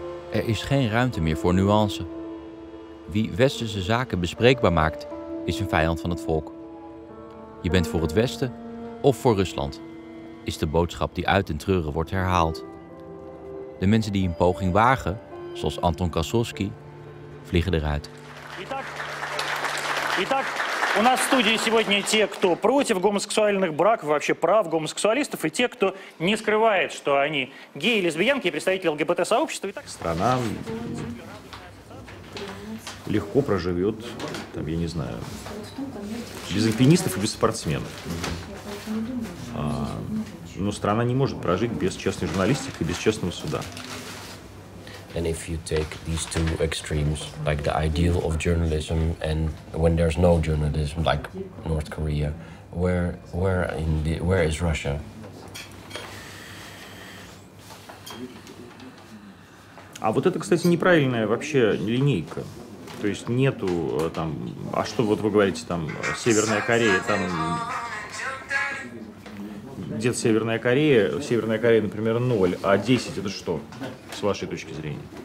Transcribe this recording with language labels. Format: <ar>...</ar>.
<nl>Er is geen ruimte meer voor nuance. Wie westerse zaken bespreekbaar maakt, is een vijand van het volk. Je bent voor het Westen of voor Rusland, is de boodschap die uit den treuren wordt herhaald. De mensen die een poging wagen, zoals Anton Kasolsky, vliegen eruit.</nl> <ru>Итак, у нас в студии сегодня те, кто против гомосексуальных браков, вообще прав гомосексуалистов, и те, кто не скрывает, что они геи, лесбиянки и представители ЛГБТ-сообщества. Итак, страна легко проживет, там, я не знаю, без альпинистов и без спортсменов. Но страна не может прожить без честной журналистики и без честного суда.</ru> <en>And if you take these two extremes, like the ideal of journalism and when there's no journalism, like North Korea, where is Russia?</en> <ru>А вот это, кстати, неправильная вообще линейка. То есть нету там, а что вот вы говорите там, Северная Корея, там где-то Северная Корея, Северная Корея, например, 0, а 10 это что, с вашей точки зрения?</ru>